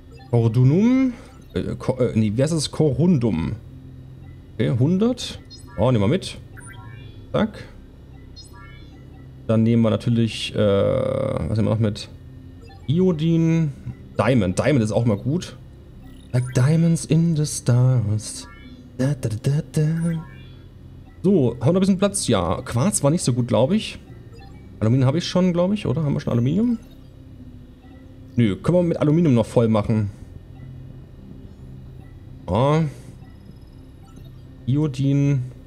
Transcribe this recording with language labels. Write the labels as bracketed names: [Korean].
[German] Cordunum. Wie heißt das? Corundum. Okay, 100. Oh, nehmen wir mit. Zack. Dann nehmen wir natürlich, was nehmen wir noch mit? Iodin. Diamond. Diamond ist auch mal gut. [English] Like diamonds in the stars. Da, da, da, da, da. [German] So, haben wir ein bisschen Platz? Ja, Quarz war nicht so gut, glaube ich. Aluminium habe ich schon, glaube ich, oder? Haben wir schon Aluminium? Nö, können wir mit Aluminium noch voll machen. Ah. Iodin.